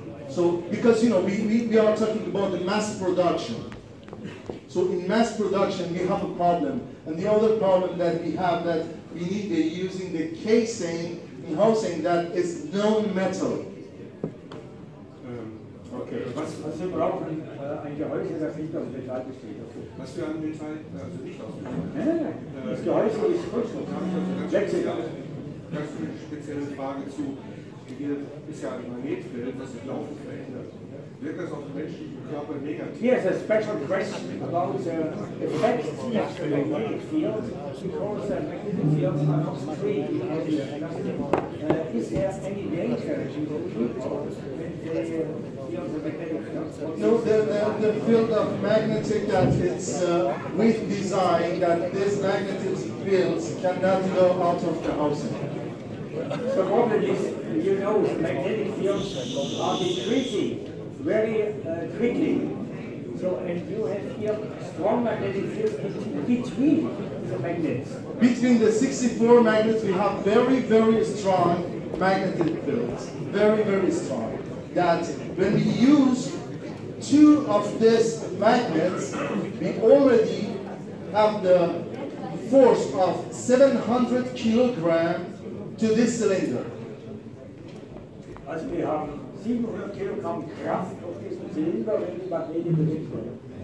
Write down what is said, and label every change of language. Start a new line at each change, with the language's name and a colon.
English: So because you know we are talking about the mass production. So in mass production, we have a problem. And the other problem that we have, that we need to using the casing in housing that is non-metal. Okay.
German: Was wir brauchen, ein Gehäuse, das nicht aus Metall besteht. Was für ein Metall? Also nicht aus Metall. Das Gehäuse ist Kunststoff. Das ist eine spezielle Frage zu. Hier ist ja ein Magnetfeld, das sich laufend verändert.
English: Here's a special question about the effects of the magnetic field, because the magnetic fields are not straight in the area. Is there any danger to the field of the magnetic field? No, the field of magnetic, that it's with design, that these magnetic fields cannot go out of the housing. The problem is, you know, the magnetic fields are decreasing very quickly. So, and you have here strong magnetic fields between the magnets. Between the 64 magnets, we have very, very strong magnetic fields. Very, very strong. That when we use two of these magnets, we already have the force of 700 kilograms to this cylinder?
German: Also wir haben 700 Kilogramm Kraft auf diesem Zylinder, wenn die Magnete bewegt werden.